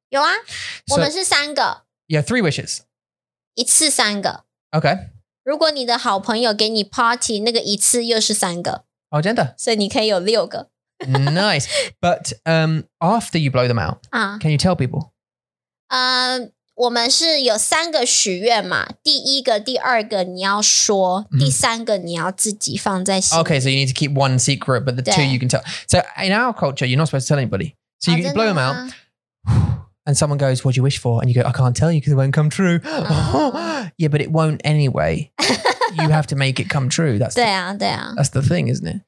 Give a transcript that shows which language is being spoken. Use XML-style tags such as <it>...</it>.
<zh>有啊, 我们是三个。</zh> <en>You have three wishes.</en> <zh>一次三个。</zh> <en>Okay.</en> <zh>如果你的好朋友给你party, 那个一次又是三个。</zh> <en>Oh,</en> <zh>真的? 所以你可以有六个。</zh> <en>Nice. But after you blow them out, can you tell people?</en> <zh>我们是有三个许愿嘛, 第一个, 第二个你要说, 第三个你要自己放在心里。</zh> <en>Okay, so you need to keep one secret, but the two you can tell. So in our culture, you're not supposed to tell anybody. So you blow them out, and someone goes, what do you wish for? And you go, I can't tell you because it won't come true. Yeah, but it won't anyway. You have to make it come true. That's</en> <zh>对啊, 对啊。</zh> <en>That's the thing, isn't it?</en>